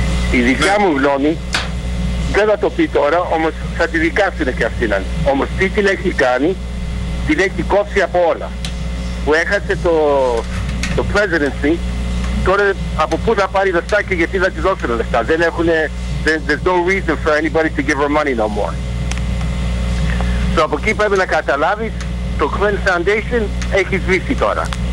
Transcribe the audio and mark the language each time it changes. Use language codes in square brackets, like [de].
[el] Η δικιά μου γνώμη, δεν θα το πει τώρα, όμως θα τη δικάσουν και αυτήν. Όμως τι την έχει κάνει, την έχει κόψει από όλα. Που έχασε το presidency, τώρα από πού θα πάρει λεφτά και γιατί θα τη δώσουν λεφτά. Δεν έχουνε. [en] There's no reason for anybody to give her money no more. [el] So από εκεί πρέπει να καταλάβεις, το Clinton Foundation έχει σβήσει τώρα.